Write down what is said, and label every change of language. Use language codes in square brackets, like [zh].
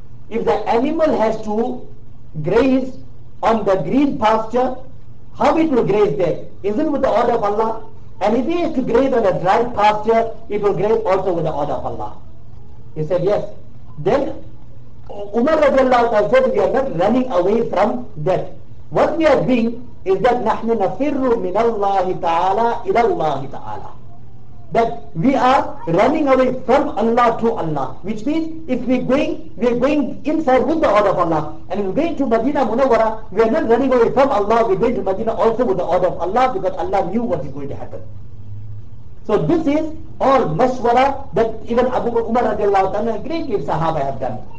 [en] If the animal has to graze on the green pasture, how it will graze there? Isn't with the order of Allah? And if he is to graze on a dry pasture, he will graze also with the order of Allah. He said, yes. Then Umar radiallahu ta'ala said, we are not running away from death. What we are doing is that [ar] نَحْنُ نَفِرُّ مِنَ اللَّهِ تَعَالَىٰ إِلَى اللَّهِ تَعَالَىٰ. [en] That we are running away from Allah to Allah. Which means, if we're going inside with the order of Allah, and we're going to Madinah Munawwara, we are not running away from Allah, we're going to Madinah also with the order of Allah, because Allah knew what is going to happen. So this is all mashwara that even Abu Umar radiallahu ta'ala and great sahaba have done.